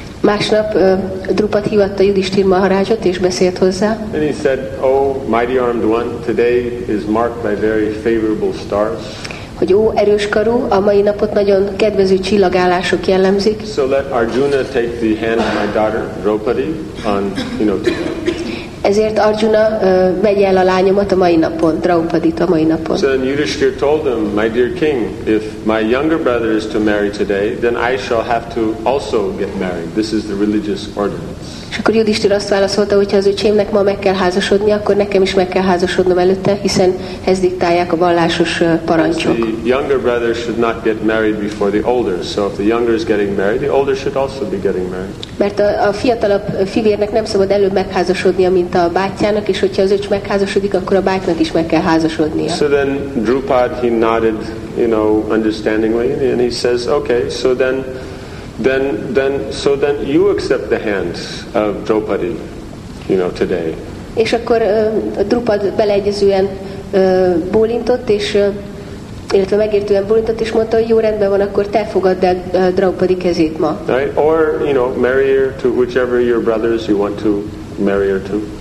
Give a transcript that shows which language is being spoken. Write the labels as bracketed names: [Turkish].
[Hungarian] Másnap Drupad hívatta Yudhishthira Maharajot, és beszélt hozzá. [English] And he said, "Oh, mighty armed one, today is marked by very favorable stars." [Hungarian] Hogy ó, erős karú, a mai napot nagyon kedvező csillagállások jellemzik. [English] So let Arjuna take the hand of my daughter Draupadi on, you know, to... [Hungarian] Ezért Arjuna vegye el a lányomat a mai napon, Draupadit a mai napon. [English] So then Yudhishthira told him, "My dear king, if my younger brother is to marry today, then I shall have to also get married. This is the religious ordinance." [Hungarian] És akkor Yudhishthira azt válaszolta, hogy ha az öcsémnek ma meg kell házasodni, akkor nekem is meg kell házasodnom előtte, hiszen ez diktálják a vallásos parancsok. [English] The younger brother should not get married before the older. So if the younger is getting married, the older should also be getting married. [Hungarian] Mert a fiatalabb fivérnek nem szabad előbb megházasodnia, mint a bátyjának, és hogyha az öcs megházasodik, akkor a bátynak is meg kell házasodnia. [English] So then Drupad, he nodded, you know, understandingly, and he says, "Okay, so then Then you accept the hand of Draupadi, you know, today." [Hungarian] És akkor Drupad beleegyezően bólintott, és illetve megértően bólintott, és mondta, hogy jó, rendben van, akkor te fogadd el Draupadi kezét ma. [English] Right? Or, you know, marry her to whichever your brothers you want to marry her to.